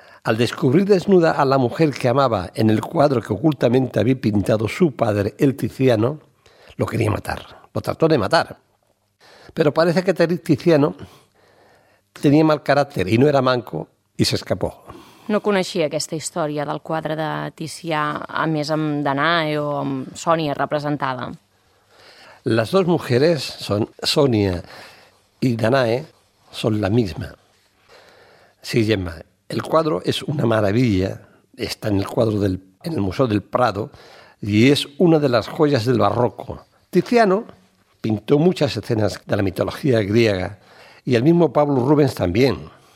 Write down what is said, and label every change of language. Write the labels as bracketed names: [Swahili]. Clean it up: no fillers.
[Spanish] Al descubrir desnuda a la mujer que amaba en el cuadro que ocultamente había pintado su padre, el Tiziano, lo quería matar, lo trató de matar. Pero parece que Tiziano tenía mal carácter y no era manco y se escapó. [Catalan] No coneixia aquesta història del quadre de Ticià, a més amb Danae o amb Sònia representada. Les dues mujeres, son Sònia i Danae, són la misma. [Spanish] Sí, Gemma, el cuadro es una maravilla, está en el cuadro del, en el Museo del Prado, y es una de las joyas del barroco. Tiziano pintó muchas escenas de la mitología griega, y el mismo Pablo Rubens también.